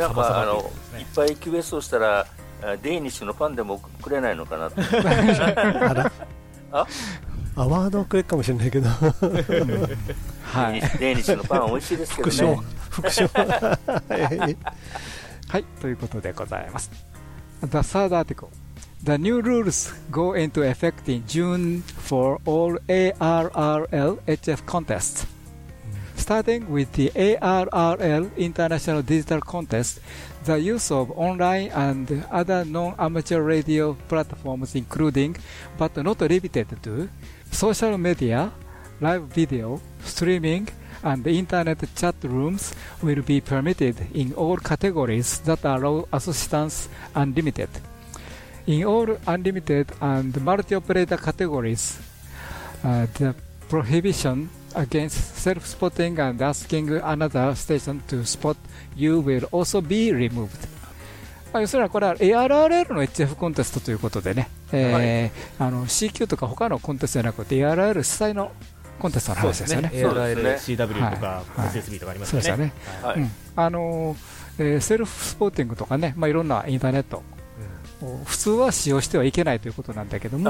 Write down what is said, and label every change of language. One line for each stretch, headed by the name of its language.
Japanese: なんかあのいっぱいリクエストしたらデイニッシュのパンでもくれないのかなってあら、あ、アワードくれるかもしれないけど、はい、デイニッシュのパン美味しいですけどね、副賞はい、ということでございます。
English: The third article、 The new rules go into effect in June for all ARRL HF contestsStarting with the ARRL International Digital Contest, the use of online and other non-amateur radio platforms including, but not limited to, social media, live video, streaming, and internet chat rooms will be permitted in all categories that allow assistance unlimited. In all unlimited and multi-operator categories, the prohibition against self-spotting and asking another station to spot you will also be removed。
Japanese: 要するにこれは ARRL の HF コンテストということでね、はい、あの CQ とか他のコンテストじゃなくて ARRL 主催のコンテストの話ですよね。そうですね、 ARRL、 CW とか SSB とかありますよね、はいはい、そうですよね、はい、うん、セルフスポーティングとかね、まあ、いろんなインターネット普通は使用してはいけないということなんだけども、